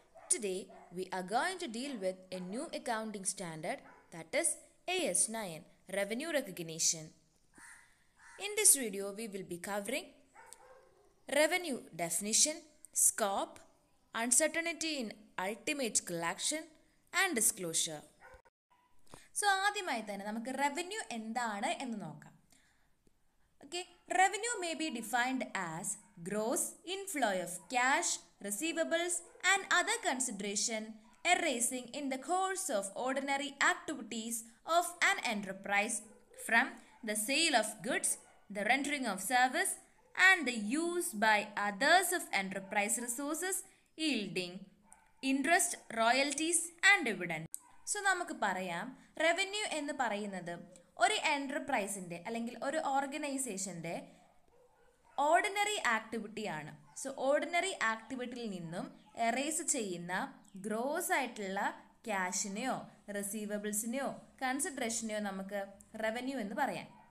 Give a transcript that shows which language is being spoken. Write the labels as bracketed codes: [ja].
[en] Today we are going to deal with a new accounting standard, that is AS9, Revenue Recognition. In this video we will be covering revenue definition, scope, uncertainty in ultimate collection and disclosure. [ml] So ആദ്യമായി തന്നെ നമുക്ക് revenue എന്താണ് എന്ന് നോക്കാം. [en] Okay, revenue may be defined as gross inflow of cash, receivables and other consideration arising in the course of ordinary activities of an enterprise from the sale of goods, the rendering of service and the use by others of enterprise resources yielding interest, royalties and dividends. [ml] So, namukku parayam, revenue ennu parayunnathu ഒരു എൻ്റർപ്രൈസിൻ്റെ അല്ലെങ്കിൽ ഒരു ഓർഗനൈസേഷൻ്റെ ordinary ആക്ടിവിറ്റിയാണ്. So ordinary ആക്ടിവിറ്റിയിൽ നിന്നും errors ചെയ്യുന്ന gross ആയിട്ടുള്ള ക്യാഷിനെയോ റിസീവബിൾസിനെയോ കൺസിഡറേഷനെയോ നമുക്ക് revenue എന്ന് പറയാം.